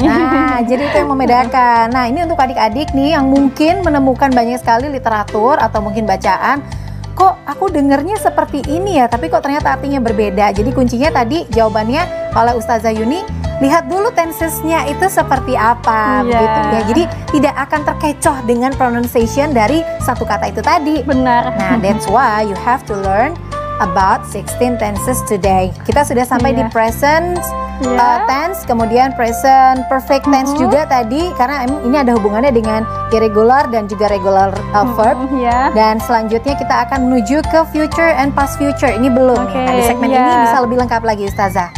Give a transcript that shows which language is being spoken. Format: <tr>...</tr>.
<id>Nah, jadi itu yang membedakan. Nah, ini untuk adik-adik nih yang mungkin menemukan banyak sekali literatur atau mungkin bacaan, kok aku dengernya seperti ini ya, tapi kok ternyata artinya berbeda. Jadi kuncinya tadi jawabannya oleh Ustazah Yuni, lihat dulu tensesnya itu seperti apa. Yeah. Begitu ya. Jadi tidak akan terkecoh dengan pronunciation dari satu kata itu tadi. Benar.</id> <en>Nah, that's why you have to learn about 16 tenses today.</en> <id>Kita sudah sampai di present tense, kemudian present perfect tense juga tadi, karena ini ada hubungannya dengan irregular dan juga regular verb. Dan selanjutnya kita akan menuju ke future and past future. Ini belum. Okay. Nah, di segmen ini bisa lebih lengkap lagi, Ustazah.</id>